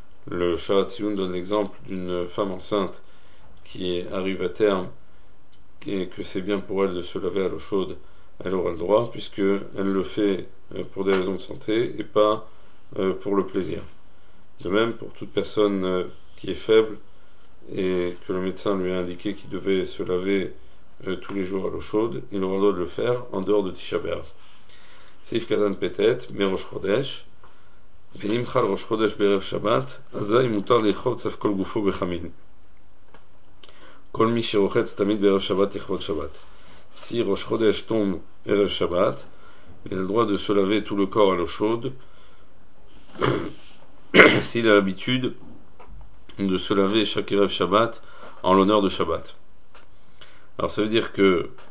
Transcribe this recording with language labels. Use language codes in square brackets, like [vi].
[fr] Le Shara Tzion donne l'exemple d'une femme enceinte qui arrive à terme et que c'est bien pour elle de se laver à l'eau chaude, elle aura le droit puisqu'elle le fait pour des raisons de santé et pas pour le plaisir. De même pour toute personne qui est faible et que le médecin lui a indiqué qu'il devait se laver tous les jours à l'eau chaude, il aura le droit de le faire en dehors de Tisha B'Av. [he] Seif Katan Petet, Merosh Chodesh. ואם חל ראש חודש בערב שבת, אזי מותר לרחוץ אף כל גופו בחמין. כל מי שרוחץ תמיד בערב שבת לכבוד שבת. [fr] Si ראש חודש תום ערב שבת, il a le droit de se laver tout le corps à l'eau chaude, s'il a l'habitude de se laver chaque ערב שבת en l'honneur de שבת. Alors ça veut dire que